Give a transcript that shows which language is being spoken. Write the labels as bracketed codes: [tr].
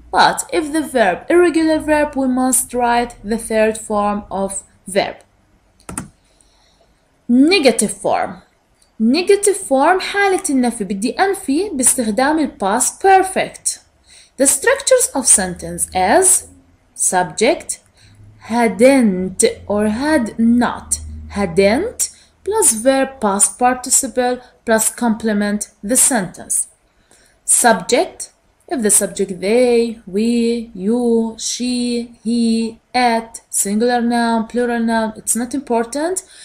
[en] But if the verb irregular verb, we must write the third form of verb. Negative form. Negative form [ar] حالة النفي، بدي أنفي باستخدام الـ past perfect. [en] The structures of sentence as subject hadn't or had not. Hadn't plus verb past participle plus complement the sentence. Subject, if the subject they, we, you, she, he, it, singular noun, plural noun, it's not important.